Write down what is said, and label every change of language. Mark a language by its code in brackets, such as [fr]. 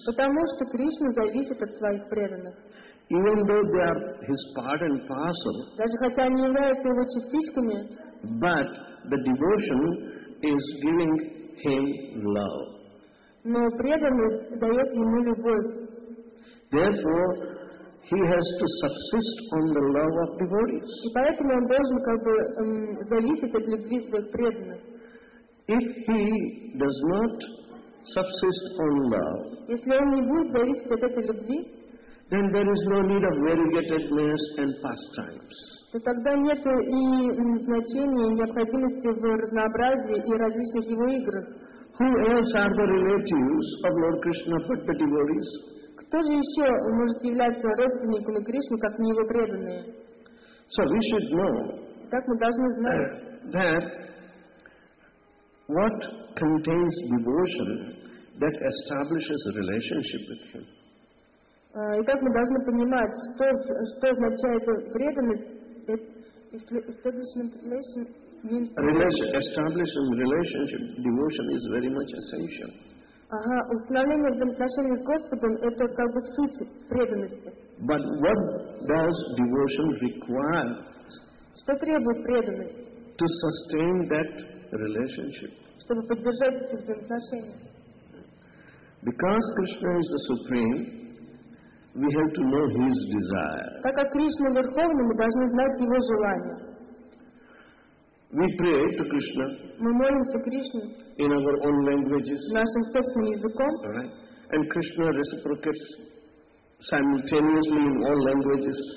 [ru] Потому что Кришна зависит от своих преданных. [en] Even though they are his part and parcel. [ru] Даже хотя они являются его частичками. [en] But the devotion is giving him love. [ru] Но преданность дает ему любовь. [en] Therefore, he has to subsist on the love of devotees. [ru] И поэтому он должен как бы зависеть от любви своих преданных. [en] If he does not subsist on love, [ru] если он не будет зависеть от этой любви, [en] then there is no need of variegatedness and pastimes. [ru] То тогда нет и значения, необходимости в разнообразии и различных его играх. [en] Who else are the relatives of Lord Krishna but the devotees? [ru] Кто же еще может являться родственниками Кришны, как не его преданные? [en] So we should know. [ru] Так мы должны знать. [en] That what contains devotion that establishes a relationship with him. [ru] И как мы должны понимать, что означает преданность, [en] establishment relation means. Establishing relationship, devotion is very much essential. [ru] Ага, установление взаимоотношений с Господом это как бы суть преданности. [en] But what does devotion require? [ru] Что требует преданность? [en] To sustain that relationship. [ru] Чтобы поддержать эти взаимоотношения. [en] Because Krishna is the supreme, we have to know his desire. [ru] Так как Кришна верховный, мы должны знать его желание. [en] We pray to Krishna. [ru] Мы молимся Кришне. [en] In our own languages. [ru] Нашим собственным языком. [en] Right. And Krishna reciprocates simultaneously in all languages.